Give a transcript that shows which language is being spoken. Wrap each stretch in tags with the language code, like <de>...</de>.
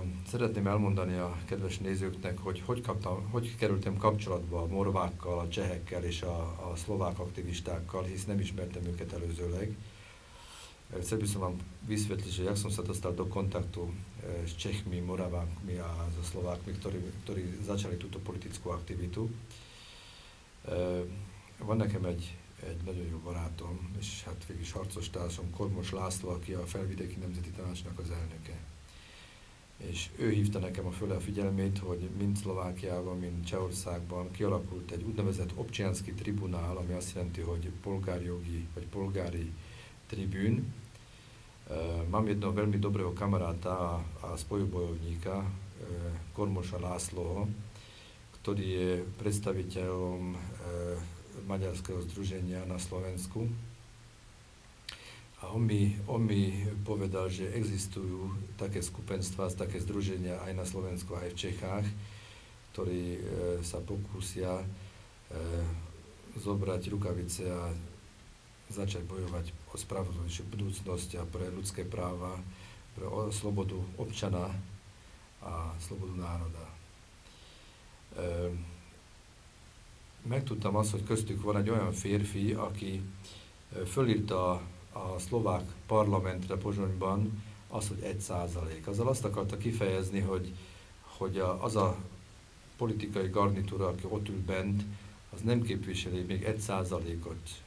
<hu>Szeretném elmondani a kedves nézőknek, hogy kerültem kapcsolatba a morvákkal, a csehekkel és a szlovák aktivistákkal, hisz nem ismertem őket előzőleg.</hu> <sk>Chcel by som vám vysvetliť, že jak som sa dostal do kontaktu s Čechmi, Moravákmi a so Slovákmi, ktorí začali túto politickú aktivitu.</sk> <hu>Van nekem egy nagyon jó barátom, és hát végig harcostársam, Kormos László, aki a Felvidéki Nemzeti Tanácsnak az elnöke. És ő hívta nekem a figyelmét, hogy mind Szlovákiában, mind Csehországban kialakult egy úgynevezett občianski tribunál, ami azt jelenti, hogy polgárjogi vagy polgári tribűn.</hu> <sk>Mám jedného veľmi dobrého kamaráta a spojubojovníka, Kormosa Lászlóho, ktorý je predstaviteľom maďarského združenia na Slovensku. A on mi povedal, že existujú také skupenstva, také združenia aj na Slovensku, aj v Čechách, ktorí sa pokúsia zobrať rukavice a začať bojovať o spravodlivejšiu budúcnosť a pre ľudské práva, pre slobodu občana a slobodu národa.</sk> <hu>Megtudtam azt, hogy köztük van egy olyan férfi, aki fölírta a szlovák parlamentre Pozsonyban azt, hogy 1%. Azzal azt akarta kifejezni, hogy az a politikai garnitúra, aki ott ül bent, az nem képviseli még 1%-ot.</hu>